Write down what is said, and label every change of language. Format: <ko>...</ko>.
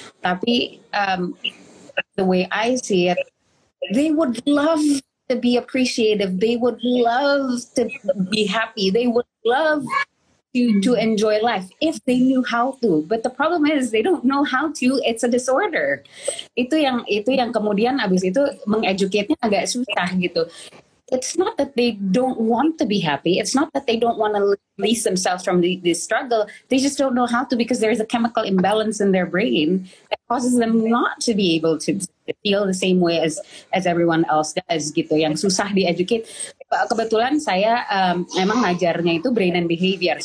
<en>Tapi the way I see it, they would love to be appreciative. They would love to be happy. They would love to enjoy life if they knew how to. But the problem is they don't know how to. It's a disorder.</en> <id>Itu yang kemudian abis itu mengeducate-nya agak susah gitu.</id> <en>It's not that they don't want to be happy. It's not that they don't want to release themselves from the struggle. They just don't know how to because there is a chemical imbalance in their brain that causes them not to be able to feel the same way as everyone else does gitu.</en> <id>Yang susah di-educate. Kebetulan saya emang ngajarnya itu</id> <en>brain and behavior.</en>